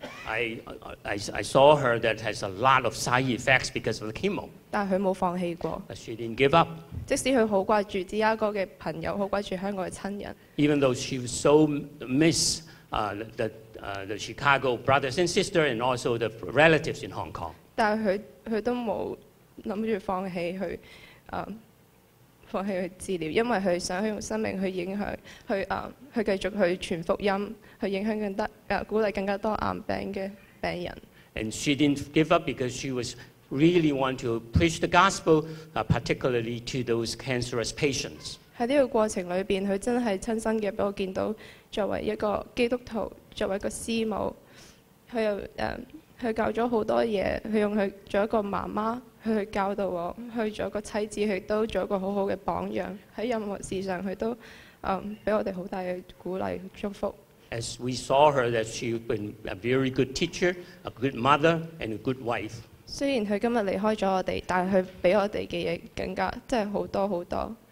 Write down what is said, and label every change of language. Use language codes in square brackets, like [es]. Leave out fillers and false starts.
[en] I saw her that has a lot of side effects because of the chemo. [yue] 但佢冇放棄過。 [en] But she didn't give up. [yue] 即使佢好掛住芝加哥嘅朋友，好掛住香港嘅親人。 [en] Even though she was so miss the Chicago brothers and sisters and also the relatives in Hong Kong. [yue] 但佢都冇諗住放棄去放棄去治療，因為佢想用生命去影響，去繼續去傳福音，去影響更多鼓勵更加多癌病嘅病人。 [en] And she didn't give up because she was really want to preach the gospel, particularly to those cancerous patients. [yue] 喺呢個過程裏邊，佢真係親身嘅俾我見到，作為一個基督徒，作為一個師母，佢又佢教咗好多嘢，佢用佢做一個媽媽。去教導我，去做一個妻子，佢都做一個好好嘅榜樣。喺任何事上，佢都俾我哋好大嘅鼓勵祝福。 [en] As we saw her, that she's been a very good teacher, a good mother, and a good wife. [yue] 雖然佢今日離開咗我哋，但係佢俾我哋嘅嘢更加即係好多好多。